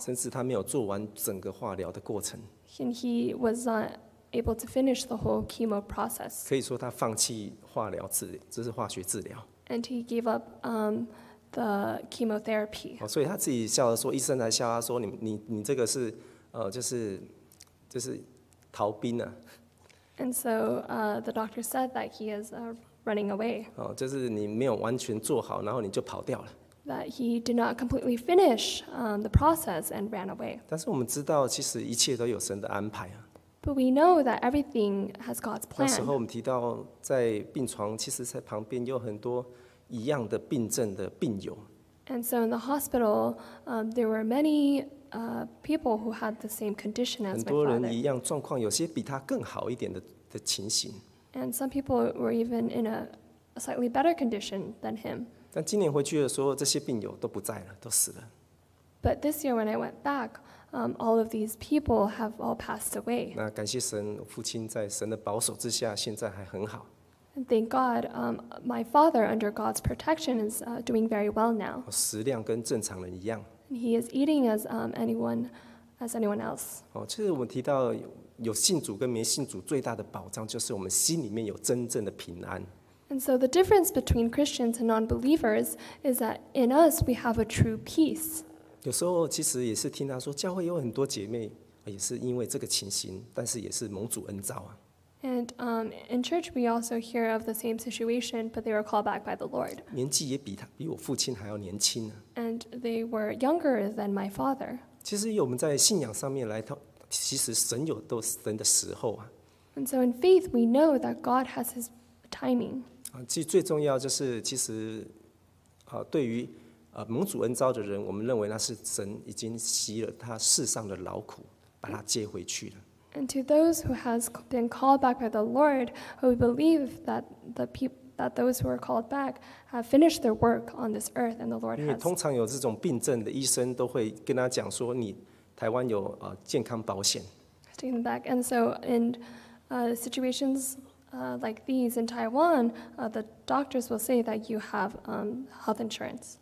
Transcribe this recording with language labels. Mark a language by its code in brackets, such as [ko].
[zh] 甚至他没有做完整个化疗的过程。 [en] And he was not able to finish the whole chemo process. [zh] 可以说他放弃化疗治，这是化学治疗。 [en] And he gave up the chemotherapy. [zh] 所以他自己笑着说，医生还笑他说，你这个是就是逃兵啊。 [en] And so the doctor said that he is running away. [zh] 就是你没有完全做好，然后你就跑掉了。 [en] That he did not completely finish the process and ran away. [zh] 但是我们知道，其实一切都有神的安排啊。 [en] But we know that everything has God's plan. [zh] 那时候我们提到，在病床，其实在旁边有很多一样的病症的病友。 [en] And so in the hospital, there were many people who had the same condition as my father. [zh] 很多人一样状况，有些比他更好一点 的情形。 [en] And some people were even in a slightly better condition than him. [zh] 但今年回去的时候，这些病友都不在了，都死了。 [en] But this year when I went back, all of these people have all passed away. [zh] 那感谢神，父亲在神的保守之下，现在还很好。 [en] And thank God, my father under God's protection is doing very well now. [zh] 食量跟正常人一样。 [en] And he is eating as anyone else. [zh] 其实我们提到有信主跟没信主最大的保障，就是我们心里面有真正的平安。 [en] And so the difference between Christians and non-believers is that in us we have a true peace. [zh] 有时候其实也是听他说，教会有很多姐妹也是因为这个情形，但是也是蒙主恩召啊。 [en] And in church we also hear of the same situation, but they were called back by the Lord. [zh] 年纪也比我父亲还要年轻啊。 [en] And they were younger than my father. [zh] 其实我们在信仰上面来到，其实神有都神的时候啊。 [en] And so in faith, we know that God has His timing. [zh] 其实最重要就是，其实对于蒙主恩召的人，我们认为那是神已经息了他世上的劳苦，把他接回去了。 [en] And to those who has been called back by the Lord, we believe that those who are called back have finished their work on this earth, and the Lord has. [zh] 因为通常有这种病症的医生都会跟他讲说，你台湾有健康保险。 [en] Taking them back, and so in situations like these in Taiwan, the doctors will say that you have health insurance.